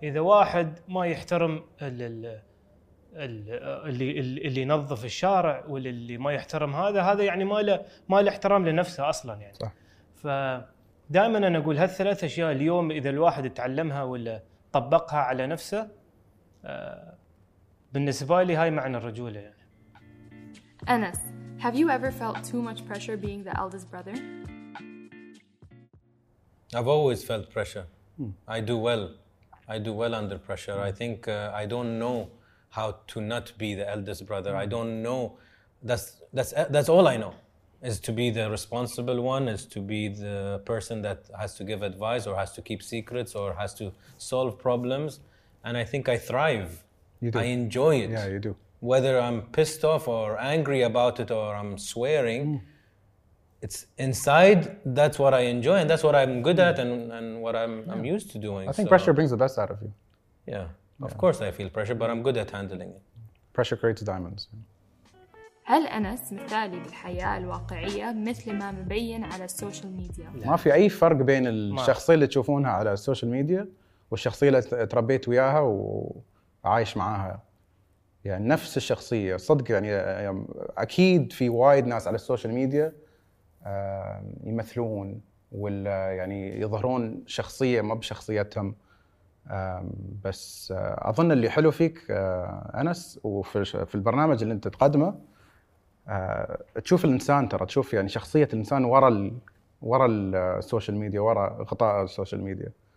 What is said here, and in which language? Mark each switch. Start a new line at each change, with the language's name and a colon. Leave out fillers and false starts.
Arabic: إذا واحد ما يحترم اللي ينظف الشارع واللي ما يحترم هذا يعني ما له احترام لنفسه أصلا يعني. صح. فدائما أنا أقول هالثلاث أشياء اليوم إذا الواحد تعلمها ولا طبقها على نفسه بالنسبة لي هاي معنى الرجولة. يعني
English: أنس، have you ever felt too much pressure being the eldest brother? I've always felt pressure. I do well under pressure. I think I don't know how to not be the eldest brother. I don't know. That's all I know, is to be the responsible one, is to be the person that has to give advice or has to keep secrets or has to solve problems. And I think I thrive. You do. I enjoy it. Yeah, you do. Whether I'm pissed off or angry about it or I'm swearing, it's inside, that's what I enjoy and that's what I'm good at and what I'm used to doing. I think so. Pressure brings the best out of you. Yeah, of course I feel pressure, but I'm good at handling it. Pressure creates diamonds.
Arabic: هل أنس مثالي بالحياة الواقعية مثل ما مبين على السوشيال ميديا؟ ما في أي فرق بين الشخصية اللي تشوفونها على السوشيال ميديا والشخصية اللي تربيت وياها وعايش معاها. يعني نفس الشخصية صدق. يعني أكيد في وايد ناس على السوشيال ميديا يمثلون ولا يعني يظهرون شخصية ما بشخصيتهم، بس أظن اللي حلو فيك أنس وفي البرنامج اللي أنت تقدمه تشوف الإنسان، ترى تشوف يعني شخصية الإنسان وراء السوشيال ميديا، وراء غطاء السوشيال ميديا.